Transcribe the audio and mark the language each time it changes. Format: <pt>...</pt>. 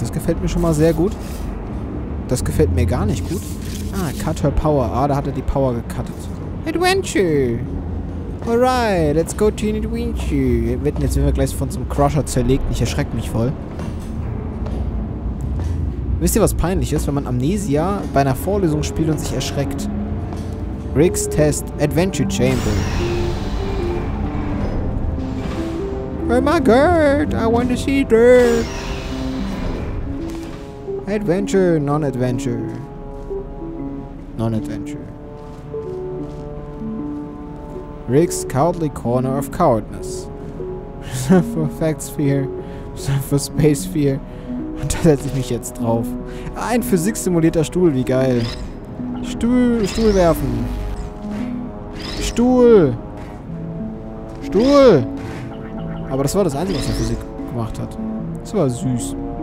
<de>Das gefällt mir schon mal sehr gut. Das gefällt mir gar nicht gut.</de> <en>Ah, cut her power.</en> <de>Ah, da hat er die Power gecuttet. Adventure!</de> <en>Alright, let's go to an adventure.</en> <de>Jetzt werden wir gleich von so einem Crusher zerlegt. Ich erschrecke mich voll. Wisst ihr, was peinlich ist, wenn man Amnesia bei einer Vorlesung spielt und sich erschreckt?</de> <en>Riggs Test Adventure Chamber. Oh my god, I want to see dirt. Adventure, non-adventure. Non-adventure. Riggs' cowardly corner of cowardness. Suffer Fact-Sphere. Suffer Space-Sphere.</en> <de>Und da setze ich mich jetzt drauf. Ein physiksimulierter Stuhl, wie geil. Stuhl werfen. Stuhl. Aber das war das Einzige, was er Physik gemacht hat. Das war süß.</de>